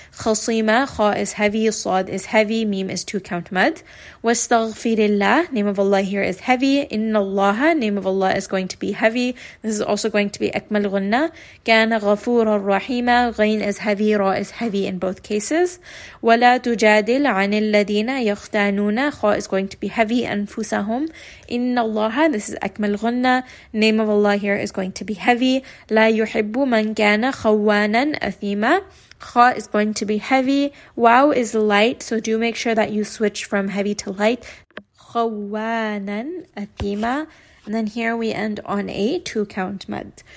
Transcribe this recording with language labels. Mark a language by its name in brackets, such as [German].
[English] خَصِيمَ, خَا is heavy, صَاد is heavy, ميم is two count mad. [Arabic] وَاسْتَغْفِرِ اللَّهِ, [English] name of Allah here is heavy. [Arabic] إِنَّ اللَّهَ, [English] name of Allah is going to be heavy. This is also going to be أَكْمَلْ غُنَّة. [Arabic] كَانَ غَفُورًا رَحِيمًا, [English] غَيْن is heavy, رَا is heavy in both cases. [Arabic] وَلَا تُجَادِلْ عَنِ الَّذِينَ يَخْتَانُونَ, خَا [English] is going to be heavy, [Arabic] أَنفُسَهُمْ. إِنَّ اللَّهَ, [English] this is أَكْمَلْ غُنَّة, name of Allah here is going to be heavy. [Arabic] لَا يُحِبُّ مَنْ كَانَ خَوَّانًا أَثِيمًا. [English] Kha is going to be heavy. Wow is light, so do make sure that you switch from heavy to light. Khawanan, athima. And then here we end on a two count mad.